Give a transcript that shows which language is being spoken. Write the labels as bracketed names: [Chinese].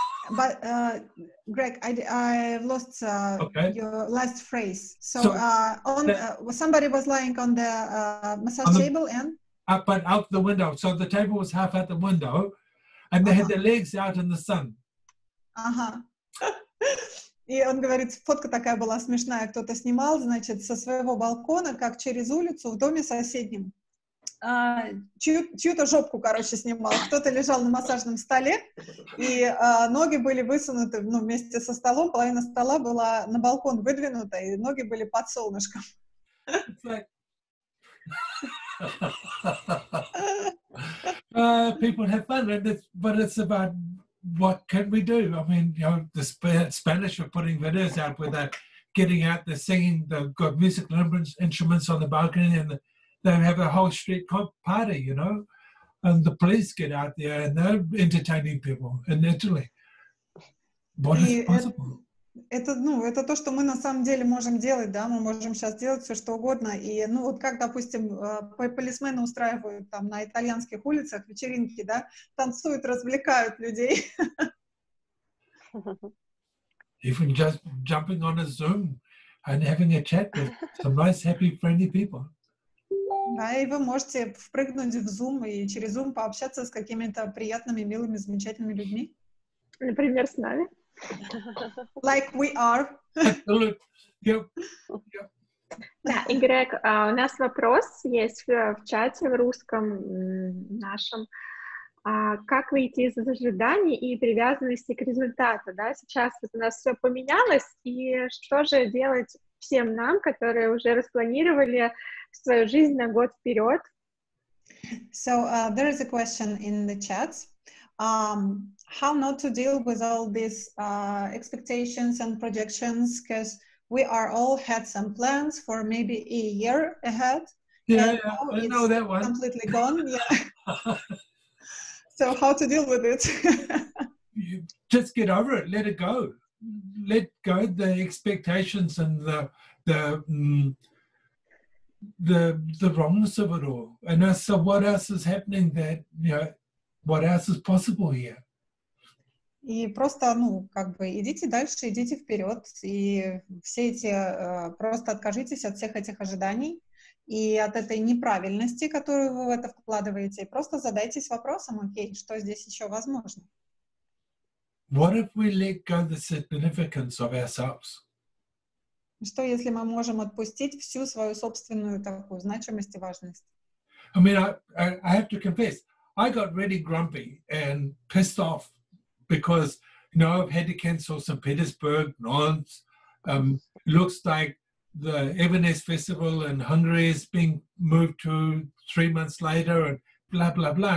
[English] But, Greg, I lost your last phrase. Somebody was lying on the massage table, but out the window. So the table was half out the window, and they had their legs out in the sun. [Russian] И он говорит, фотка такая была смешная, кто-то снимал, значит, со своего балкона, как через улицу в доме соседнем. Чью-то жопку, короче, снимал. Кто-то лежал на массажном столе, и ноги были высунуты, ну, вместе со столом, половина стола была на балкон выдвинута, и ноги были под солнышком. [English] People have fun, but it's about... What can we do? I mean, you know, the Spanish are putting videos out where they're getting out, they're singing, they've got musical instruments on the balcony, and they have a whole street party, you know? And the police get out there, and they're entertaining people in Italy. What is possible? [Russian] Это то, что мы на самом деле можем делать, да, мы можем сейчас делать все, что угодно, и, ну, вот как, допустим, полисмены устраивают там на итальянских улицах вечеринки, да, танцуют, развлекают людей. [English] Even just jumping on a Zoom and having a chat with some nice, happy, friendly people. [Russian] Да, и вы можете впрыгнуть в Zoom и через Zoom пообщаться с какими-то приятными, милыми, замечательными людьми. Например, с нами. [English] Like we are. [Russian] Да, Игрек, у нас вопрос есть в чате, в русском нашем. Как выйти из ожиданий и привязанности к результату? Да? Сейчас вот у нас все поменялось, и что же делать всем нам, которые уже распланировали свою жизнь на год вперед? [English] So, there is a question in the chat. How not to deal with all these expectations and projections, because we are all had some plans for maybe a year ahead. Yeah, I know that one. Completely gone. Yeah. So how to deal with it? You just get over it. Let it go. Let go the expectations and the wrongness of it all. And so what else is happening that, you know, what else is possible here? [Russian] И просто, ну, как бы, идите дальше, идите вперед, и все эти, просто откажитесь от всех этих ожиданий и от этой неправильности, которую вы в это вкладываете, и просто задайтесь вопросом, окей, что здесь еще возможно? [English] What if we let go the significance of ourselves? [Russian] Что если мы можем отпустить всю свою собственную такую значимость и важность? [English] I mean, I have to confess, I got really grumpy and pissed off. Because, you know, I've had to cancel St. Petersburg, Nantes. Looks like the Evernest Festival in Hungary is being moved to 3 months later and blah, blah, blah.